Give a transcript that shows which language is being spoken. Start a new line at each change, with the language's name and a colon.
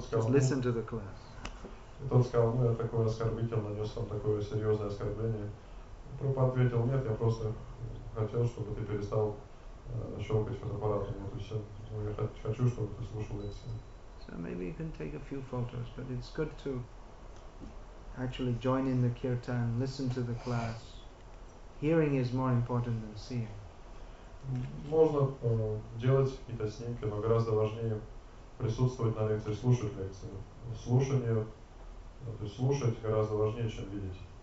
Russian: Сказал,
English: listen to the class.
Russian: И тот сказал, ну я такой оскорбитель, нанес вам такое серьезное оскорбление. Прабхупада ответил, нет, я просто хотел, чтобы ты перестал щелкать фотоаппаратом, вот и все. Ну, я хочу, чтобы ты слушал лекции.
English: So maybe you can take a few photos, but it's good to actually join in the kirtan, listen to the class. Hearing is more important than seeing.
Russian: Можно делать какие-то снимки, но гораздо важнее присутствовать на лекции, слушать лекции. Слушание, то есть слушать гораздо важнее, чем видеть.